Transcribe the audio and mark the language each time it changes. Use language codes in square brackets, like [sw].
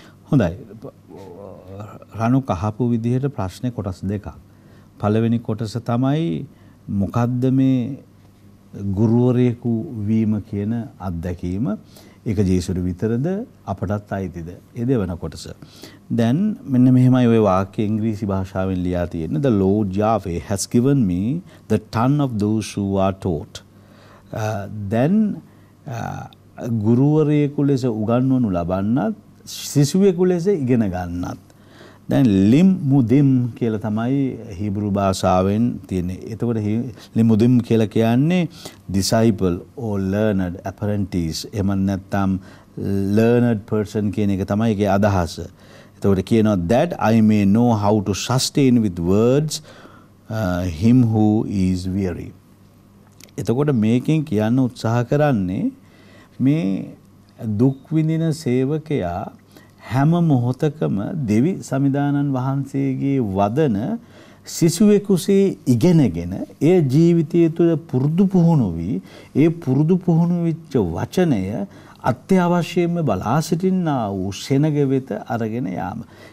[si] හොඳයි. රණු කහපු විදියට ප්‍රශ්නේ කොටස් දෙකක්. පළවෙනි කොටස තමයි මොකද්ද මේ ගුරුවරයෙකු වීම කියන අත්දැකීම? ඒක ජේසුර විතරද අපටත් අයිතිද? ඒ දෙවන කොටස. දැන් මෙන්න මෙහෙමයි ওই වාක්‍ය ඉංග්‍රීසි භාෂාවෙන් ලියා තියෙන්නේ. [en] The Lord Yahweh has given me the tongue of those who are taught. [si] Then ගුරුවරයෙකු ලෙස උගන්වනු ලබන්නත් සිසුවෙකු ලෙස ඉගෙන ගන්නත්. දැන් ලිම් මුදිම් කියලා තමයි හීබරු භාෂාවෙන් තියෙන්නේ. එතකොට ලිම් මුදිම් කියලා කියන්නේ [en] disciple or learned apprentice. [si] එහෙම නැත්නම් [en] learned person [si] කියන එක තමයි ඒකේ අදහස. එතකොට කියනවා [en] that I may know how to sustain with words him who is weary. [si] එතකොට මේකෙන් කියන්න උත්සාහ කරන්නේ මේ දුක් විඳින සේවකයා හැම මොහොතකම දෙවි සමිදානන් වහන්සේගේ වදන සිසුවෙකුසේ ඉගෙනගෙන ඒ ජීවිතය තුළ පුරුදු පුහුණු වී ඒ පුරුදු පුහුණු වෙච්ච වචනය අත්‍යවශ්‍යයෙන්ම බලා සිටින්නා වූ සෙනග වෙත අරගෙන යාම.